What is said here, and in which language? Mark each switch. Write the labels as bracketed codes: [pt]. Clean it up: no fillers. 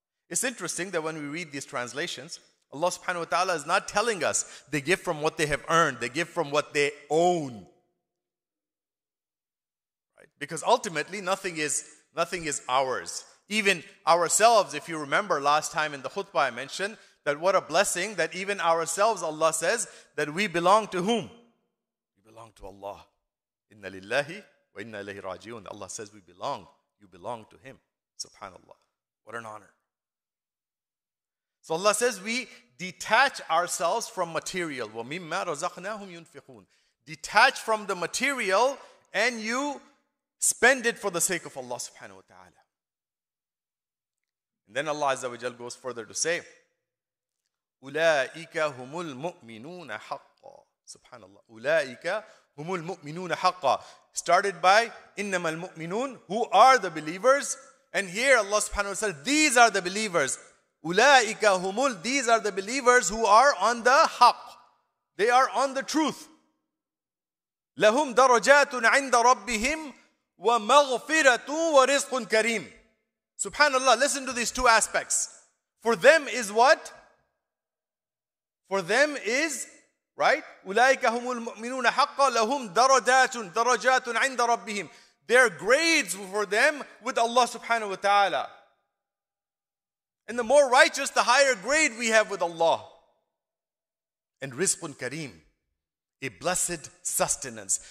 [en] It's interesting that when we read these translations, Allah subhanahu wa ta'ala is not telling us they give from what they have earned, they give from what they own. Right? Because ultimately, nothing is ours. Even ourselves, if you remember last time in the khutbah I mentioned, that what a blessing that even ourselves, Allah says, that we belong to whom? We belong to Allah. [ar] إِنَّ لِلَّهِ وَإِنَّ إِلَيْهِ رَاجِعُونَ [en] Allah says we belong. You belong to Him. Subhanallah. What an honor. So Allah says we detach ourselves from material. [ar] وَمِمَّا رَزَقْنَاهُمْ يُنْفِقُونَ [en] Detach from the material and you spend it for the sake of Allah subhanahu wa ta'ala. And then Allah Azza wa Jal goes further to say, [ar] أُولَٰئِكَ هُمُ الْمُؤْمِنُونَ حَقَّ [en] Subhanallah. [ar] أُولَٰئِكَ هُمُ الْمُؤْمِنُونَ حَقَّ [en] Started by, [ar] إِنَّمَا الْمُؤْمِنُونَ [en] Who are the believers? And here Allah subhanahu wa ta'ala, these are the believers. [ar] أُولَٰئِكَ هُمُ [en] These are the believers who are on the haqq. They are on the truth. [ar] لَهُمْ دَرَجَاتٌ عِنْدَ رَبِّهِمْ وَمَغْفِرَةٌ وَرِزْقٌ كَرِيمٌ Subhanallah, [en] listen to these two aspects. For them is what? For them is, right? [ar] أُولَٰئِكَ هُمُ الْمُؤْمِنُونَ حَقَّ لَهُمْ دَرَجَاتٌ عِنْدَ رَبِّهِمْ [en] There are grades for them with Allah subhanahu wa ta'ala. And the more righteous, the higher grade we have with Allah. And [ar] رِزْقٌ كَرِيمٌ [en] A blessed sustenance.